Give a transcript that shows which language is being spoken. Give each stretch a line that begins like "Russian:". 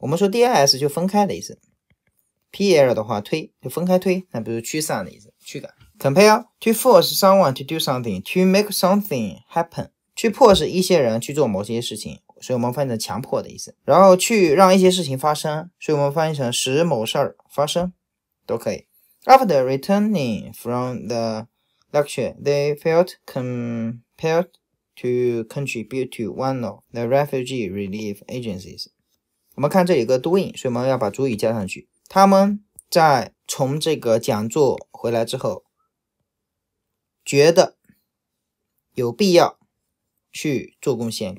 Chinese: 我们说 dis 就分开的意思， pl 的话推就分开推，那比如驱散的意思，驱赶。
English: Compel to force someone to do something, to make something happen，
Chinese: 去迫使一些人去做某些事情，所以我们翻译成强迫的意思。然后去让一些事情发生，所以我们翻译成使某事儿发生，都可以。
English: After returning from theLecture, they felt compelled to contribute to one of the refugee relief agencies.
Chinese: 我们看这里个 doing, 所以我们要把主语加上去。他们在从这个讲座回来之后，觉得有必要去做贡献。